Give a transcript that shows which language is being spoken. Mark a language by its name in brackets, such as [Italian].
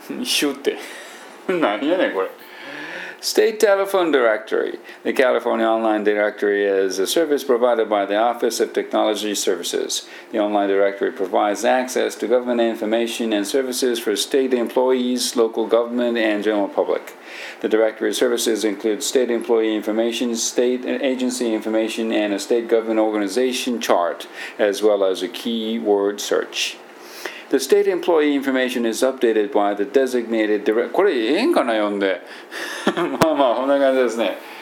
[Japanese] シュって、何やねんこれ。 [English] State Telephone Directory. The California Online Directory is a service provided by the Office of Technology Services. The Online Directory provides access to government information and services for state employees, local government, and general public. The directory services include state employee information, state agency information, and a state government organization chart, as well as a keyword search. The state employee information is updated by the designated director. [Japanese] これいいんかな読んで。まあまあこんな感じですね。